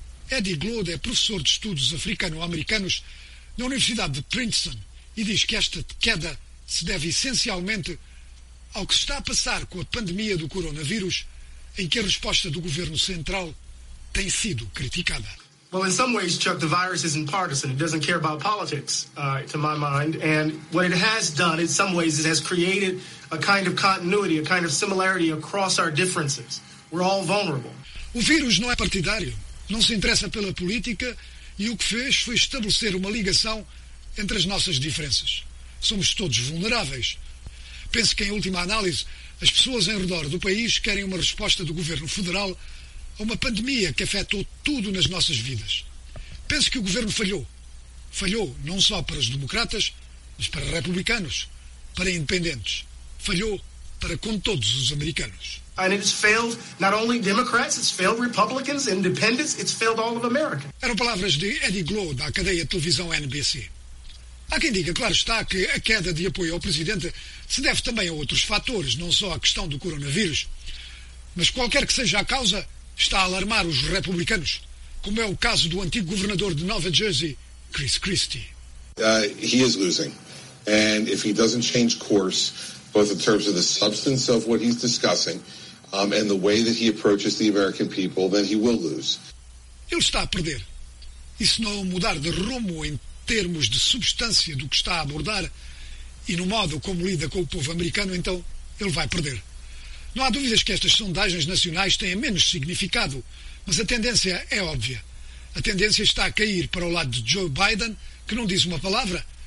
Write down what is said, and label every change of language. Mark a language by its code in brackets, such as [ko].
[pt] Eddie Glode é professor de estudos africano-americanos na Universidade de Princeton e diz que esta queda se deve essencialmente ao que está a passar com a pandemia do coronavírus, em que a resposta do governo central tem sido criticada. [en] Well, in some ways, Chuck, the virus isn't partisan. It doesn't care about politics, to my mind. And what it has done, in some ways, it has created a kind of continuity, a kind of similarity across our differences. We're all vulnerable. [pt] O vírus não é partidário. Não se interessa pela política e o que fez foi estabelecer uma ligação entre as nossas diferenças. Somos todos vulneráveis. Penso que, em última análise, as pessoas em redor do país querem uma resposta do governo federal a uma pandemia que afetou tudo nas nossas vidas. Penso que o governo falhou. Falhou não só para os democratas, mas para republicanos, para independentes. Falhou para com todos os americanos. [en] And it's failed not only Democrats, it's failed Republicans, Independents, it's failed all of America. [pt] Eram palavras de Eddie Glode, da cadeia de televisão NBC. Há quem diga, claro está, que a queda de apoio ao presidente se deve também a outros fatores, não só à questão do coronavírus. Mas qualquer que seja a causa, está a alarmar os republicanos, como é o caso do antigo governador de Nova Jersey, Chris Christie. [en] He is losing. And if he doesn't change course, both in terms of the substance of what he's discussing, and the way that he approaches the American people, then he will lose. [pt] Ele está a perder. E se não mudar de rumo em termos de substância do que está a abordar e no modo como lida com o povo americano, então ele vai perder. Não há dúvidas que estas sondagens nacionais têm menos significado, mas a tendência é óbvia. A tendência está a cair para o lado de Joe Biden, que não diz uma palavra.